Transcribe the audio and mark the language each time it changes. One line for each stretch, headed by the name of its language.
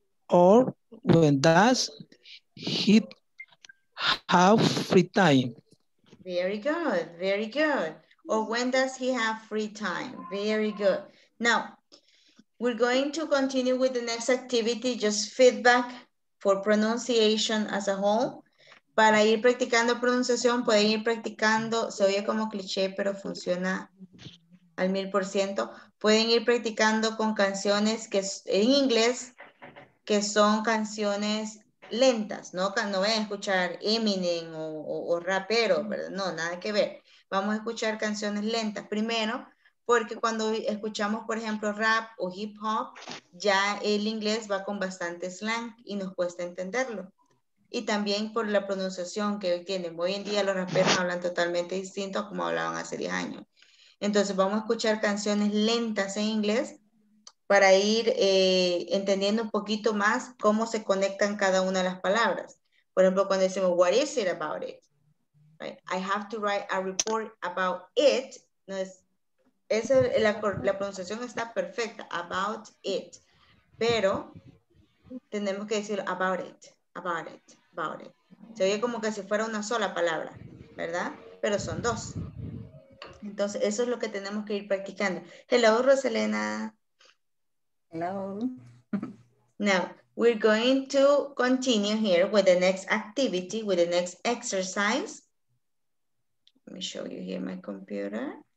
English: Or when does he have free time? Very good, very good. Or when does he have free time? Very good. Now, we're going to continue with the next activity, just feedback for pronunciation as a whole.
Spanish: Para ir practicando pronunciación, pueden ir practicando, se oye como cliché, pero funciona al 1000%. Pueden ir practicando con canciones que en inglés, que son canciones lentas, ¿no? No vayan a escuchar Eminem o rapero, ¿verdad? No, nada que ver. Vamos a escuchar canciones lentas. Primero, porque cuando escuchamos, por ejemplo, rap o hip hop, ya el inglés va con bastante slang y nos cuesta entenderlo. Y también por la pronunciación que hoy tienen. Hoy en día los raperos hablan totalmente distinto a como hablaban hace 10 años. Entonces vamos a escuchar canciones lentas en inglés para ir entendiendo un poquito más cómo se conectan cada una de las palabras. Por ejemplo, cuando decimos,
English: what is it about it? Right? I have to write a report about it.
Spanish: No es, esa, la pronunciación está perfecta,
English: about it.
Spanish: Pero tenemos que decir
English: about it.
Spanish: Se oye como que si fuera una sola palabra, ¿verdad? Pero son dos. Entonces, eso es lo que tenemos que ir practicando.
English: Hello, Roselena. Hello. Now, we're going to continue here with the next activity, with the next exercise. Let me show you here my computer.